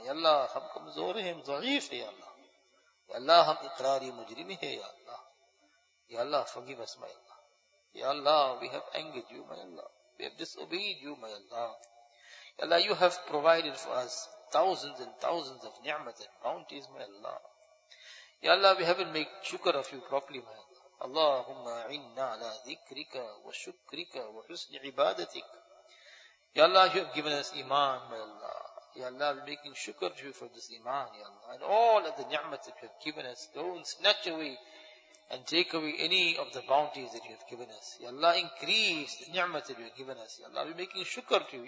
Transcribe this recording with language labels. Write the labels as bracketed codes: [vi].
[ur] یا اللہ ہم کمزور ہیں، ضعیف ہیں یا اللہ، [en] یا اللہ ہم اقراری مجرم ہیں یا اللہ، یا اللہ forgive us my اللہ، یا اللہ we have angered you my اللہ، we have disobeyed you my اللہ، یا اللہ you have provided for us thousands and thousands of ni'mat and bounties my اللہ، یا اللہ we haven't made shukr of you properly my اللہ. [ar] اللہم عنا على ذکرك وشکرك وحسن عبادتك. [en] Ya Allah, you have given us iman, my Allah. Ya Allah, we're making shukr to you for this iman, Ya Allah. And all of the ni'mat that you have given us, don't snatch away and take away any of the bounties that you have given us. Ya Allah, increase the ni'mat that you have given us. Ya Allah, we're making shukr to you.